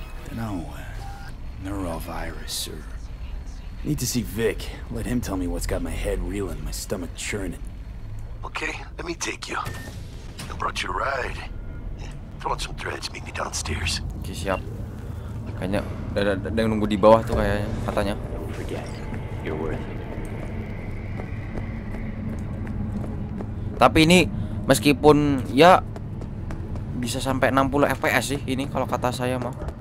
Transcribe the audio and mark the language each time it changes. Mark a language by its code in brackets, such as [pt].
[en] Don't know. Neurovirus or need to see Vic. Let him tell me what's got my head reeling, my stomach churning. Okay, let me take you. I brought you a ride. Throw on some threads, meet me downstairs. [id] Okay, siap. Kayaknya ada yang nunggu di bawah tuh kayaknya, katanya. [en] Don't forget, you're worth it. [id] Tapi ini meskipun ya bisa sampai 60 FPS sih ini kalau kata saya mah.